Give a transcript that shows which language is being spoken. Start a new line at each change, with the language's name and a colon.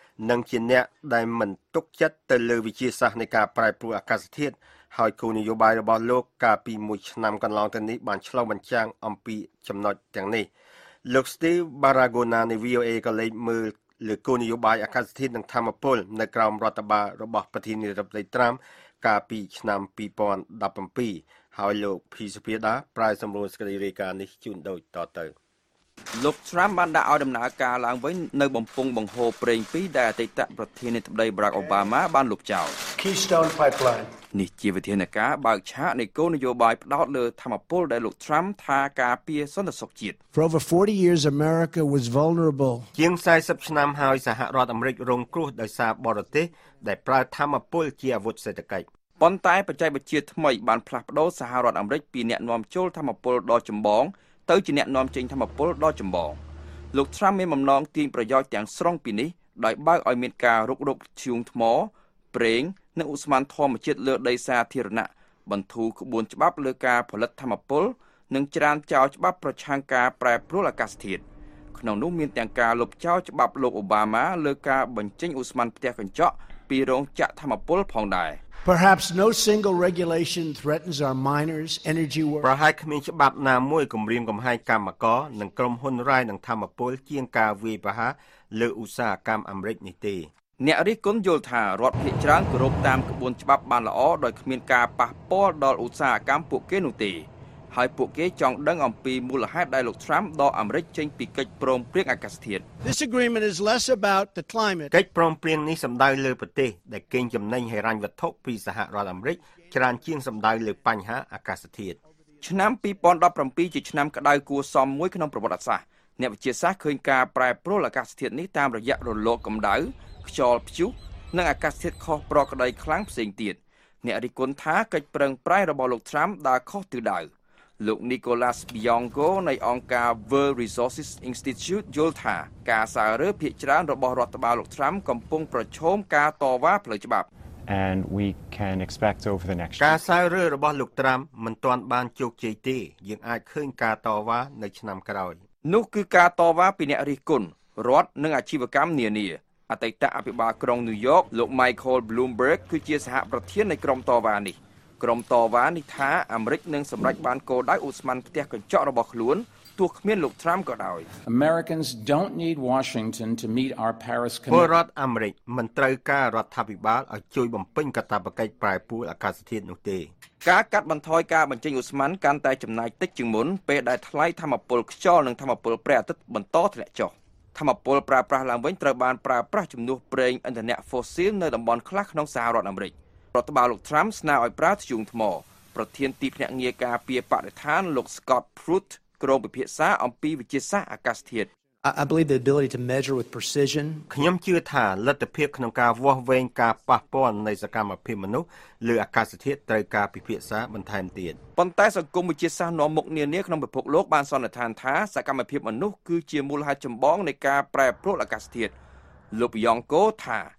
Khmer: និងជាអ្នកដែលមិនទុកចិត្តទៅលើវិទ្យាសាស្ត្រនៃការប្រែប្រួលអាកាសធាតុហើយគោលនយោបាយរបស់លោកកាលពីមួយឆ្នាំកន្លងទៅនេះបានឆ្លងបញ្ចាំងអំពីចំណុចទាំងនេះលោក Steve Baragona នៃ VOA ក៏លេចមើលលើគោលនយោបាយអាកាសធាតុនិងធម្មពលនៅក្រោមរដ្ឋបាលរបស់ប្រធានាធិបតី Trump កាលពីឆ្នាំ2017ហើយលោកភីសុភាដាប្រាយសម្រួលស្គរីរាយការណ៍នេះជូនដូចតទៅ លោក Trump បានដាក់ឲ្យដំណើរការឡើងវិញនៅបំពង់បង្ហូរប្រេងពីរដែលអតីតប្រធានាធិបតី Barack Obama បានលុបចោល
English: Keystone Pipeline
Khmer: នេះជាវិធានការបើកឆាកនៃគោលនយោបាយផ្ដោតលើធម្មពលដែលលោក Trump ថាការពារសន្តិសុខជាតិ
English: For over 40 years America was vulnerable
Khmer: ជាង40ឆ្នាំហើយសហរដ្ឋអាមេរិករងគ្រោះដោយសារបរទេសដែលប្រើធម្មពលជាអាវុធសេដ្ឋកិច្ច ប៉ុន្តែបច្ចេកវិទ្យាថ្មីបានផ្លាស់ប្ដូរសហរដ្ឋអាមេរិកពីអ្នកនាំចូលធម្មពលដ៏ចម្បងទៅជាអ្នកនាំចេញធម្មពលដ៏ចម្បងលោក Trump មានបំណងទាញប្រយោជន៍ទាំងស្រុងពីនេះដោយបើកឲ្យមានការរុករកឈូងថ្មប្រេងនៅឧស្ម័នធម្មជាតិលើដីសាធារណៈបន្ធូរក្បួនច្បាប់លើការផលិតធម្មពលនិងច្រានចោលច្បាប់ប្រឆាំងការប្រែប្រួលអាកាសធាតុក្នុងនោះមានទាំងការលុបចោលច្បាប់លោកអូបាម៉ាលើការបញ្ចេញឧស្ម័នផ្ទះកញ្ចក់ពីរោងចក្រធម្មពលផងដែរ
English: Perhaps no single regulation threatens our miners energy workers
Khmer: ប្រហែលគ្មានច្បាប់ណាមួយគំរាមកំហែងកម្មករនិងក្រុមហ៊ុនរ៉ែនិងធម្មពលជាងការវាយប្រហារលើឧស្សាហកម្មអាមេរិកនេះទេ អ្នករិះគន់យល់ថារដ្ឋភាគច្រើនគោរពតាមក្បួនច្បាប់បានល្អដោយគ្មានការប៉ះពាល់ដល់ឧស្សាហកម្មពួកគេនោះទេហើយពួកគេចង់ដឹងអំពីមូលហេតុដែលលោក Trump ដកអាមេរិកចេញពីកិច្ចព្រមព្រៀងអាកាសធាតុ
English: This agreement is less about the climate
Khmer: កិច្ចព្រមព្រៀងនេះសំដៅលើប្រទេសដែលគេងចំណេញហិរញ្ញវត្ថុពីសហរដ្ឋអាមេរិកច្រើនជាងសំដៅលើបញ្ហាអាកាសធាតុ ឆ្នាំ2017ជាឆ្នាំក្តៅគួរសមមួយក្នុងប្រវត្តិសាស្ត្រអ្នកវិទ្យាសាស្ត្រឃើញការប្រែប្រួលអាកាសធាតុនេះតាមរយៈរលកកម្ដៅខ្យល់ព្យុះនិងអាកាសធាតុខុសប្រក្រតីខ្លាំងផ្សេងទៀតអ្នករិះគន់ថាកិច្ចប្រឹងប្រែងរបស់លោក Trump ដើរខុសទិសដៅ លោក Nicolas Bianco នៃអង្គការ World Resources Institute យល់ថាការសាររើភាគច្រើនរបស់រដ្ឋបាលលោក Trump កំពុងប្រឈមការតវ៉ាផ្លូវច្បាប់
English: and we can expect over the next year
Khmer: ការសាររើរបស់លោក Trump មិនទាន់បានជោគជ័យទេយើងអាចឃើញការតវ៉ានៅឆ្នាំក្រោយ នោះគឺការតវ៉ាពីអ្នករិះគន់រដ្ឋនិងអាជីវកម្មនានាអតីតអភិបាលក្រុងញូវយ៉កលោក Michael Bloomberg គឺជាសហប្រធាននៃក្រុមតវ៉ានេះក្រុមតវ៉ានេះថាអាមេរិកនឹងសម្រេចបានគោលដៅឧស្ម័នផ្ទះកញ្ចក់របស់ខ្លួនទោះគ្មានលោក Trump ក៏ដោយ
English: Americans don't need Washington to meet our Paris
Khmer: commitment ពលរដ្ឋអាមេរិកមិនត្រូវការរដ្ឋាភិបាលឲ្យជួយបំពេញកាតព្វកិច្ចប្រែប្រួលអាកាសធាតុនោះទេ ការកាត់បន្ថយការបញ្ចេញឧស្ម័នកាន់តែចំណាយតិចជាងមុនពេលដែលថ្លៃធម្មពលខ្យល់និងធម្មពលព្រះអាទិត្យបន្តធ្លាក់ចុះធម្មពលប្រើប្រាស់ឡើងវិញត្រូវបានប្រើប្រាស់ជំនួសប្រេងឥន្ធនៈ Fossil នៅតំបន់ខ្លះក្នុងសហរដ្ឋអាមេរិករដ្ឋបាលលោក Trump ស្នើឲ្យប្រើធ្យូងថ្មប្រធានទីភ្នាក់ងារការពារបរិស្ថានលោក Scott Pruitt ក្រុមពិភាក្សាអំពីវិទ្យាសាស្ត្រអាកាសធាតុ
English: I believe the ability to measure with precision
Khmer: ខ្ញុំជឿថាលទ្ធភាពក្នុងការវាស់វែងការប៉ះពាល់នៃសកម្មភាពមនុស្សឬអាកាសធាតុត្រូវការពិភាក្សាបន្ថែមទៀត ប៉ុន្តែសង្គមវិទ្យាសាស្ត្រនាំមុខនានាក្នុងពិភពលោកបានសន្និដ្ឋានថាសកម្មភាពមនុស្សគឺជាមូលហេតុចម្បងនៃការប្រែប្រួលអាកាសធាតុលោកយ៉ងកូថា